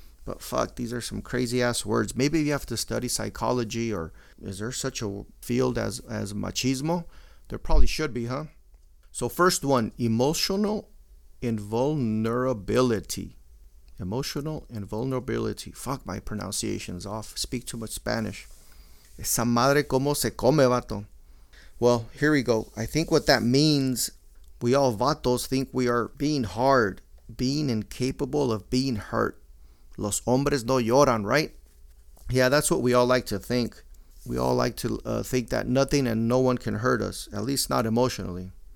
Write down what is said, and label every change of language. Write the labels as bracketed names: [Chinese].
[English] But fuck, these are some crazy ass words. Maybe you have to study psychology, or is there such a field as machismo? There probably should be, huh? So first one, emotional invulnerability. Emotional invulnerability. Fuck, my pronunciation's off. Speak too much Spanish. [Spanish] Esa madre como se come, vato. [English] Well, here we go. I think what that means, we all vatos think we are being hard, being incapable of being hurt. [Spanish] Los hombres no lloran, [English] right? Yeah, that's what we all like to think. We all like to think that nothing and no one can hurt us, at least not emotionally.